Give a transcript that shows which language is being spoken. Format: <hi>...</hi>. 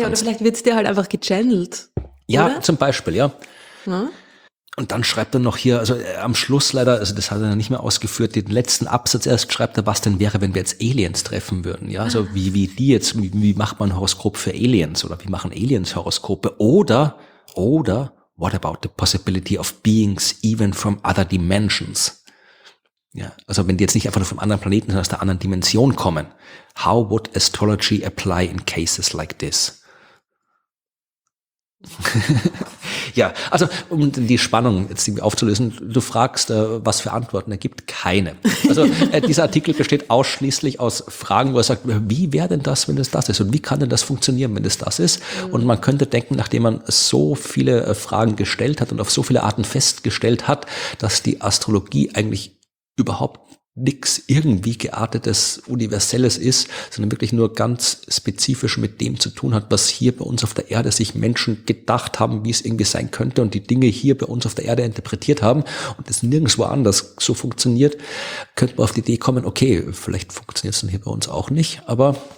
<de>Ja, oder vielleicht wird es dir halt einfach gechannelt. Ja, oder? Zum Beispiel, ja. Na? Und dann schreibt er noch hier, also am Schluss leider, also das hat er nicht mehr ausgeführt, den letzten Absatz erst schreibt er, was denn wäre, wenn wir jetzt Aliens treffen würden. Ja, also wie die jetzt, wie macht man ein Horoskop für Aliens oder wie machen Aliens Horoskope?</de> <en>Oder, what about the possibility of beings even from other dimensions?</en> <de>Ja, also wenn die jetzt nicht einfach nur vom anderen Planeten, sondern aus der anderen Dimension kommen.</de> <en>How would astrology apply in cases like this?</en> <de>Ja, also um die Spannung jetzt irgendwie aufzulösen, du fragst, was für Antworten er gibt, keine. Also dieser Artikel besteht ausschließlich aus Fragen, wo er sagt, wie wäre denn das, wenn es das ist und wie kann denn das funktionieren, wenn es das ist? Und man könnte denken, nachdem man so viele Fragen gestellt hat und auf so viele Arten festgestellt hat, dass die Astrologie eigentlich überhaupt nichts irgendwie geartetes Universelles ist, sondern wirklich nur ganz spezifisch mit dem zu tun hat, was hier bei uns auf der Erde sich Menschen gedacht haben, wie es irgendwie sein könnte und die Dinge hier bei uns auf der Erde interpretiert haben und es nirgendwo anders so funktioniert, könnte man auf die Idee kommen, okay, vielleicht funktioniert es dann hier bei uns auch nicht, aber...</de>